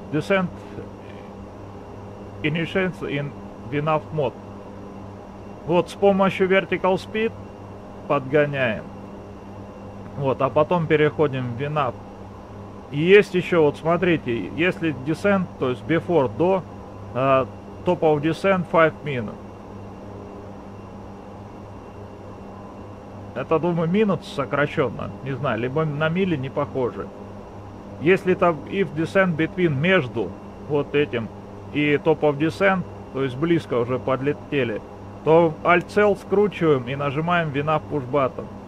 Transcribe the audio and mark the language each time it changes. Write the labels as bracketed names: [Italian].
[English] Descent initiates in VNAV mode. [Russian] Вот, с помощью Vertical Speed подгоняем. Вот, а потом переходим в VNAV. И есть еще, вот, смотрите, если Descent, то есть Before, до... Top of Descent 5 минут. Это, думаю, минут сокращенно. Не знаю, либо на мили не похоже. Если там [English] if descent between [Russian] между вот этим и Top of Descent, то есть близко уже подлетели, то Alt Cell скручиваем и нажимаем VNAV Push Button.